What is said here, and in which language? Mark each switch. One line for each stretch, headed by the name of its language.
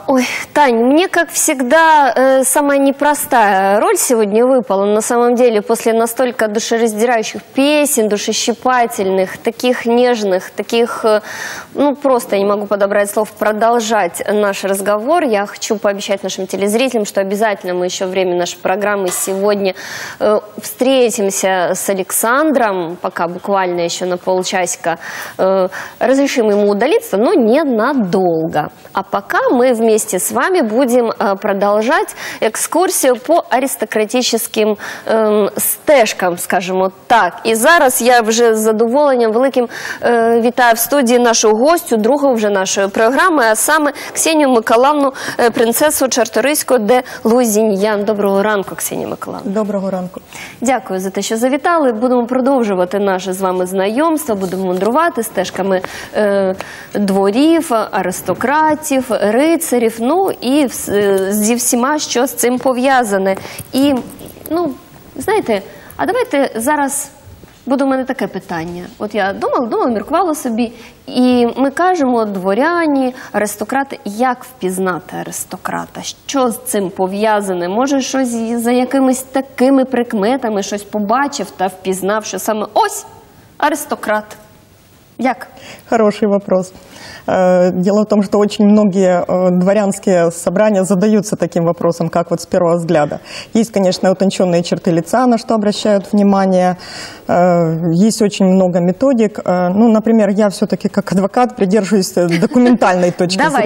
Ukrainian: Ой, Тань, мені, як завжди,
Russian: самая непроста
Ukrainian: роль сьогодні випала,
Russian: на самом деле,
Ukrainian: після настільки душераздирающих пісень, душещипательних, таких нежних, таких, ну, просто я не можу подобрати слов, продовжати наш розговор. Я хочу пообіцяти нашим телезрителям, що обов'язково ми ще в час нашої програми сьогодні встретимося з Олександром, поки буквально ще на полчасика
Russian: разрешим ему удалиться, но ненадолго. А пока мы вместе с вами будем продолжать экскурсию по аристократическим стежкам, скажем вот так. И зараз я уже с
Ukrainian: задоволенням великим вітаю
Russian: в студии нашу гостю, другу уже нашей программы, а саме Ксению Миколаевну, принцессу Чарторийскую де Лузіньян.
Ukrainian: Доброго ранку, Ксения Миколаевна. Доброго ранку. Дякую за те, що завітали. Будемо продовжувати наше з вами знайомство, будемо мандрувати стежками. Дворів, аристократів, рицарів, ну і зі всіма, що з цим пов'язане. І, ну, знаєте, а давайте зараз, буде в мене таке питання. От я думала, міркувала собі, і ми кажемо, дворяні, аристократи, як впізнати аристократа? Що з цим пов'язане? Може, щось за якимись такими прикметами щось побачив та впізнав, що саме ось аристократ. Як?
Russian: Хороший вопрос. Дело в том, что очень многие дворянские собрания задаются таким вопросом, как вот с первого взгляда. Есть, конечно, утонченные черты лица, на что обращают внимание. Есть очень много методик. Ну, например, я все-таки как адвокат придерживаюсь документальной точки зрения.